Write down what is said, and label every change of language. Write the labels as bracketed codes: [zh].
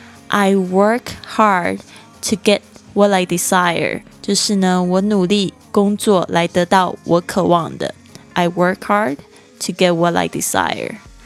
[en] I work hard to get what I desire. [zh] 就是呢，我努力工作来得到我渴望的。 [en] I work hard to get what I desire.